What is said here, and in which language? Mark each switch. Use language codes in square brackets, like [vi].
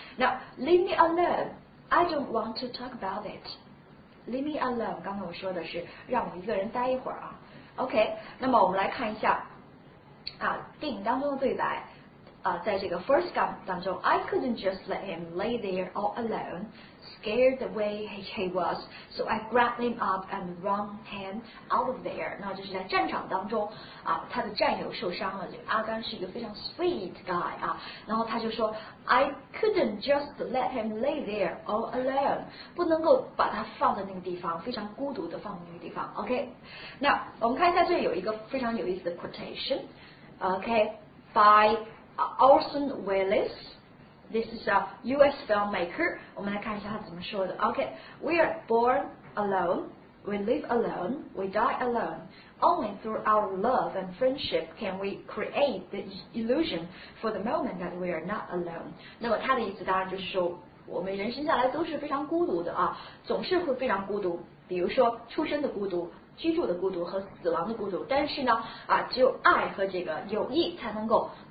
[en] Now, leave me alone. I don't want to talk about it. Leave me alone. [zh] 刚才我说的是让我一个人待一会儿OK. 那么我们来看一下电影当中的对白在这个 [en] first gun [zh] 当中， [en] I couldn't just let him lay there all alone, scared the way he was, so I grabbed him up and ran him out of there. [zh] 那就是在战场当中他的战友受伤了，阿甘是一个非常 [en] sweet guy [zh] 然后他就说 [en] I couldn't just let him lay there all alone, [zh] 不能够把他放在那个地方，非常孤独的放在那个地方 OK. [en] Now [zh] 我们看一下，这里有一个非常有意思的 [en] quotation OK, byOrson Welles, this is a U.S. filmmaker. [zh] 我们来看一下他怎么说的。 [en] OK, we are born alone, we live alone, we die alone. Only through our love and friendship can we create the illusion for the moment that we are not alone. [zh] 那么他的意思当然就是说，我们人生下来都是非常孤独的总是会非常孤独。比如说出生的孤独、居住的孤独和死亡的孤独。但是呢，只有爱和这个友谊才能够。